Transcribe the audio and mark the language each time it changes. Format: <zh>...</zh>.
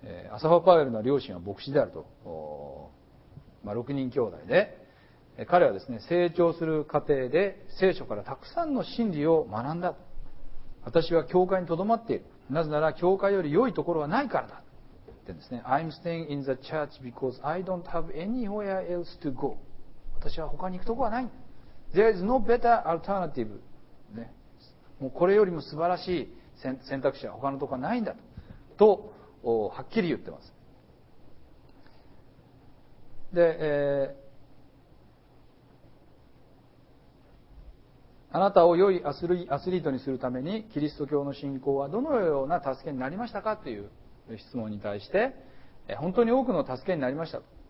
<ja>アサファ・パウエルの両親は牧師であると、6人兄弟で、彼はですね、成長する過程で聖書からたくさんの真理を学んだ。私は教会にとどまっている。なぜなら教会より良いところはないからだ。ってですね、</ja> <en>I'm staying in the church because I don't have anywhere else to go。</en> <ja>私は他に行くところはない。</ja> <en>There is no better alternative、ね。</en> <ja>もうこれよりも素晴らしい選択肢は他のところはないんだ。と、はっきり言ってます。で、あなたを良いアスリートにするためにキリスト教の信仰はどのような助けになりましたかという質問に対して、本当に多くの助けになりました。</ja>